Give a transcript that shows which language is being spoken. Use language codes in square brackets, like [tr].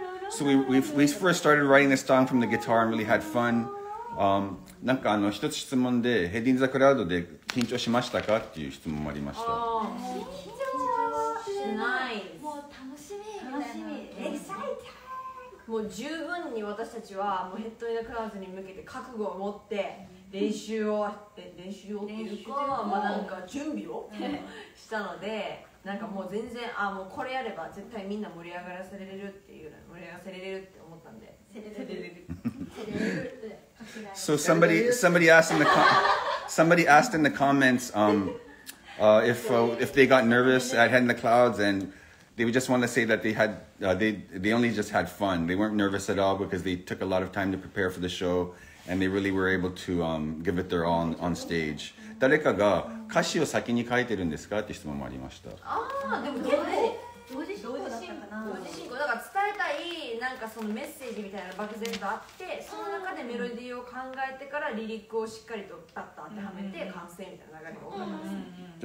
[en] So we first started writing this song from the guitar and really had fun. [ja] なんか一つ質問で、ヘディンザクラウドで緊張しましたかっていう質問もありました。緊張はしない。もう楽しみ。楽しみ。 [en] Excited. [ja] もう十分に私たちはもうヘッド・イン・ザ・クラウズに向けて覚悟を持って練習をって練習をっていうか、まあなんか準備をしたので、なんかもう全然もうこれやれば絶対みんな盛り上がらせれるっていう、盛り上がせれるって思ったんで。 [en] So somebody asked in the comments if they got nervous at Head in the Clouds, andthey would just want to say that they only just had fun. They weren't nervous at all because they took a lot of time to prepare for the show, and they really were able to give it their all on stage. [ja] 誰かが歌詞を先に書いてるんですかって質問もありました。ああ、でも同時進行だったかな。同時進行だから伝えたいなんかそのメッセージみたいな漠然とあって、その中でメロディーを考えてからリリックをしっかりとバッと当てはめて完成みたいな流れが多かったんです